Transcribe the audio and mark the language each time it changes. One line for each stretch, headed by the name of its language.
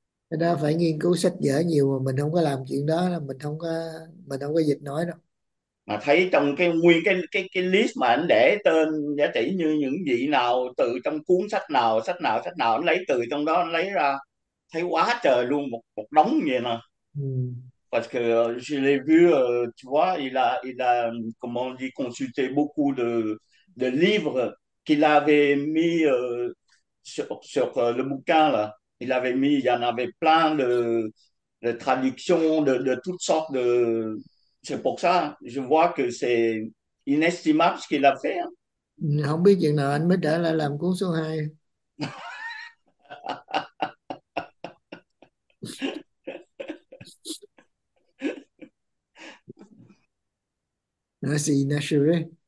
Vietnamese: Cái đó phải nghiên cứu sách vở nhiều, mà mình không có làm chuyện đó là mình không có dịch nói đâu. Mà thấy trong cái nguyên cái list mà anh để tên giá trị như những vị nào từ trong cuốn sách nào anh lấy từ trong đó anh lấy ra, thấy quá trời luôn, một đống vậy nè.
French: Parce que je l'ai vu, tu vois, il a comment on dit, consulté beaucoup de livres qu'il avait mis sur le bouquin là. Il avait mis, il y en avait plein de traductions de toutes sortes de. C'est pour ça, je vois que c'est inestimable ce qu'il a fait.
Vietnamese: Không biết chừng nào anh mới trở lại làm cuốn số 2.
French: Inachevé.